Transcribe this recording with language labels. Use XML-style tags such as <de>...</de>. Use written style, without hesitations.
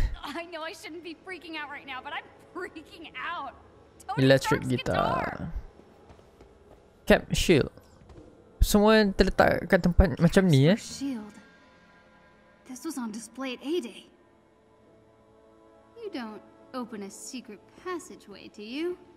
<en>I know I shouldn't be freaking out right now, but I'm freaking out. Tony electric guitar. Cap shield.</en> <ms>Semua terletak kat tempat macam ni eh.</ms> <en>Shield. This was on display at A-Day. You don't open a secret passageway, do you?</en>